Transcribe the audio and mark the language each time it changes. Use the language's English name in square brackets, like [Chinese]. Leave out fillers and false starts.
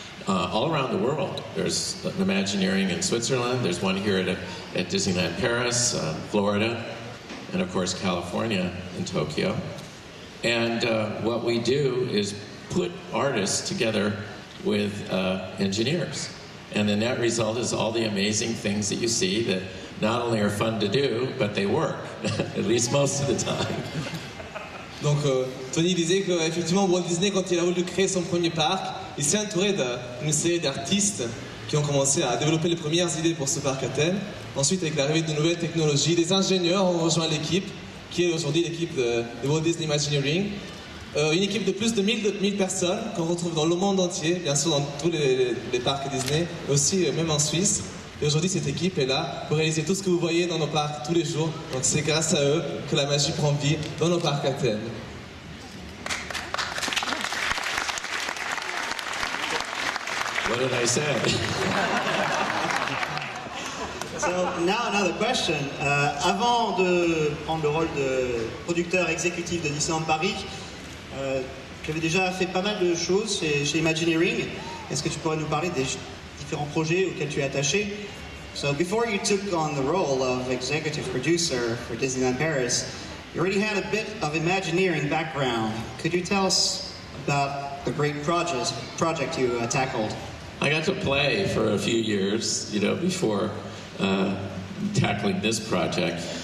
[English] all around the world. There's an Imagineering in Switzerland, there's one here at Disneyland Paris, Florida, and of course California in Tokyo. And what we do is put artists together with engineers. And the net result is all the amazing things that you see that not only are fun to do, but they work, at least most of the time. [French] Donc Tony disait qu'effectivement Walt Disney, quand il a voulu créer son premier parc, il s'est entouré d'une série d'artistes qui ont commencé à développer les premières idées pour ce parc à thème. Ensuite, avec l'arrivée de nouvelles technologies, des ingénieurs ont rejoint l'équipe, qui est aujourd'hui l'équipe de Walt Disney Imagineering. Une équipe de plus de 1000 personnes qu'on retrouve dans le monde entier, bien sûr dans tous les parcs Disney, mais aussi même en Suisse. Et aujourd'hui, cette équipe est là pour réaliser tout ce que vous voyez dans nos parcs tous les jours. Donc c'est grâce à eux que la magie prend vie dans nos parcs à thème. [English] What did I say? So, now another question. [French] Avant de prendre le rôle de producteur exécutif de Disneyland Paris, tu avais déjà fait pas mal de choses chez Imagineering. Est-ce que tu pourrais nous parler des différents projets auxquels tu es attaché? [English] So before you took on the role of executive producer for Disneyland Paris, you already had a bit of Imagineering background. Could you tell us about the great project you tackled? I got to play for a few years, you know, before tackling this project.